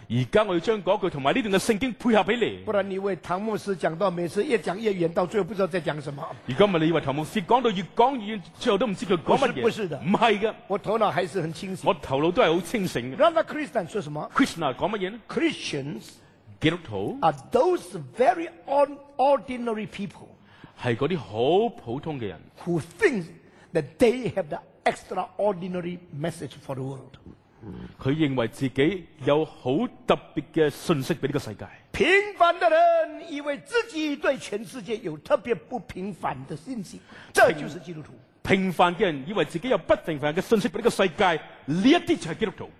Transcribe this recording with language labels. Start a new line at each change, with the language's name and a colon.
Chinese: 现在我要将那句和这段的圣经配合给你，不然你为唐牧师讲到每次越讲越远，到最后不知道在讲什么。现在你以为唐牧师讲到越讲越远，最后都不知道他讲什么？不是的，不是的，我头脑还是很清醒，我头脑都是很清醒的。让他 Christian 说什么？ Christian 讲什么？
English: Christians
Chinese: 基督徒
English: are those very ordinary people，
Chinese: 是那些很普通的人
English: who think that they have the extraordinary message for the world，
Chinese: 他认为自己有很特别的信息给这个世界。平凡的人以为自己对全世界有特别不平凡的信息，这就是基督徒。平凡的人以为自己有不平凡的信息给这个世界，这些就是基督徒。